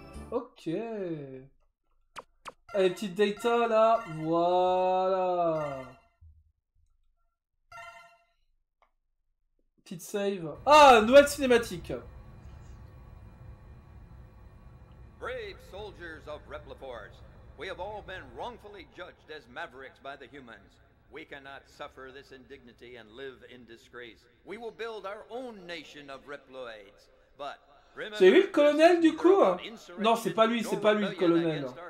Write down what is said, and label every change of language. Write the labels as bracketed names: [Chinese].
[French] Ok. Allez, petite Data, là. Voilà. Petite save. Ah, nouvelle cinématique. [English] Brave soldiers of Repliforce, we have all been wrongfully judged as mavericks by the humans. We cannot suffer this indignity and live in disgrace. We will build our own nation of Reploids. But [French] c'est lui le colonel du coup? Non, c'est pas lui le colonel.